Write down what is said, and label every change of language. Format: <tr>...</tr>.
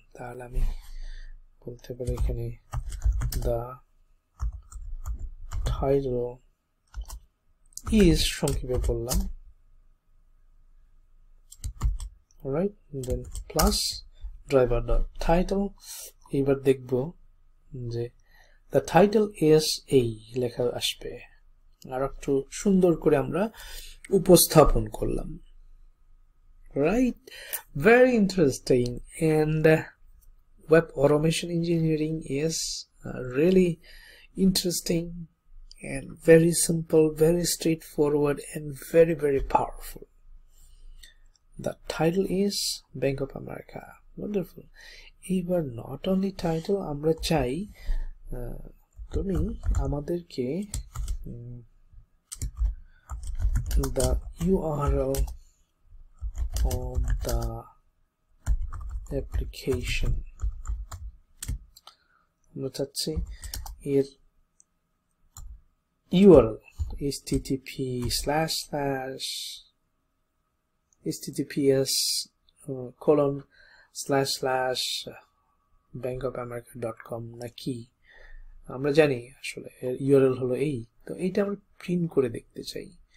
<bn>তাহলে আমি বলতে পারি এখানে</bn> <en>the title is,</en> <bn>সংক্ষেপে বললাম রাইট, দেন প্লাস ড্রাইভার ডট টাইটেল। এইবার দেখবো যে</bn> <en>the title is,</en> <bn>এই লেখা আসবে, আর একটু সুন্দর করে আমরা উপস্থাপন করলাম।</bn> <en>Right, very interesting. And web automation engineering is really interesting and very simple, very straightforward, and very, very powerful. The title is Bank of America. Wonderful. Even not only title,</en> <bn>amra chai tumi amader ke</bn> <en>the URL of the application,</en> <bn>আমরা চাচ্ছি এর URL https://bankofamerica.com নাকি, আমরা জানি আসলে এর URL হলো এই, তো এইটা আমরা প্রিন্ট করে দেখতে চাই।</bn>